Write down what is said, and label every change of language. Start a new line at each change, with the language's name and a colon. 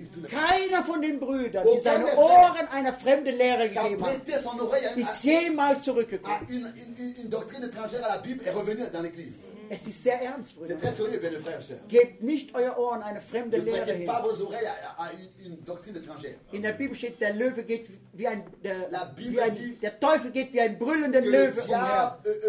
German: Keiner von den Brüdern, die seine Ohren einer fremden Lehre gegeben hat, ist jemals zurückgekommen.
French: Une doctrine étrangère à la Bible est revenue dans l'église.
German: Es ist sehr ernst, Brüder.
French: C'est très sérieux, bien, frère, sœur.
German: Gebt nicht euer Ohren eine fremde Lehre hin.
French: Ne prêtez pas vos oreilles à une doctrine étrangère.
German: In der Bibel steht, der Löwe geht wie ein, der Teufel geht wie ein brüllender Löwe umher.